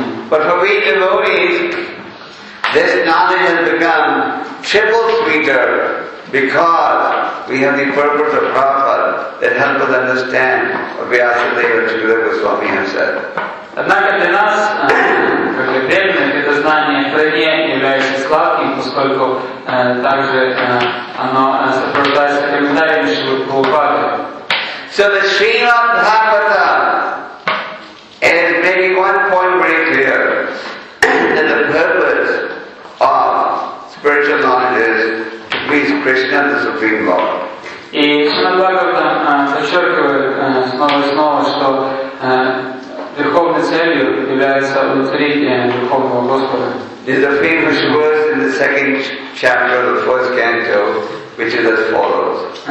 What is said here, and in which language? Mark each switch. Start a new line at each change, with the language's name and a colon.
English: But for we devotees, this knowledge has become triple sweeter because we have the purpose of Prabhupada that helps us understand what Vyasadeva and Shukadeva Goswami have said.
Russian: Однако для нас, как для преданных, это знание вдвойне является сладким, поскольку также оно сопровождается комментариями Шрилы Прабхупады.
English: So the Srimad Bhagavatam is maybe one point very clear that the purpose of spiritual knowledge is to please Krishna the Supreme Lord.
Russian: И Шримад Бхагаватам подчеркивает снова и снова, что верховной целью является удовлетворение Верховного Господа.
English: There's a famous verse in the second chapter of the first canto, which is as follows.